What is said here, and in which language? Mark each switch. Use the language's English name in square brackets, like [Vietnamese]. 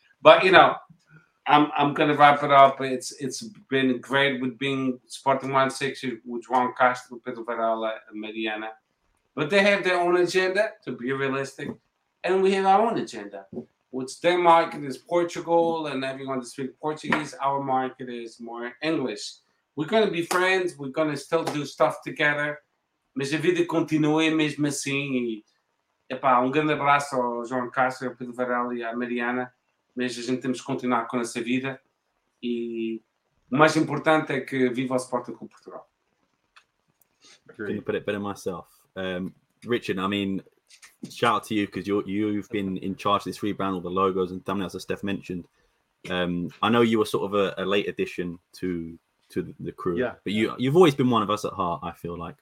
[English] But, you know, I'm gonna wrap it up. It's been great with being Sporting160 with Juan Castro, Pedro Varela, and Mariana. But they have their own agenda, to be realistic. And we have our own agenda, which their market is Portugal and everyone that speaks Portuguese. Our market is more English. We're gonna be friends, we're gonna still do stuff together. [Portuguese] Mas a vida continua mesmo assim. Epá, grande abraço ao Juan Castro, Pedro Varela e a Mariana. Mas a gente temos que continuar com a nossa vida. E o mais importante é que viva o Sporting Clube Portugal. [English] I'm going to put it better myself. Richard, I mean, shout out to you because you've been in charge of this rebrand, all the logos and thumbnails, as Steph mentioned. I know you were sort of a late addition to the crew. Yeah. But you've always been one of us at heart, I feel like.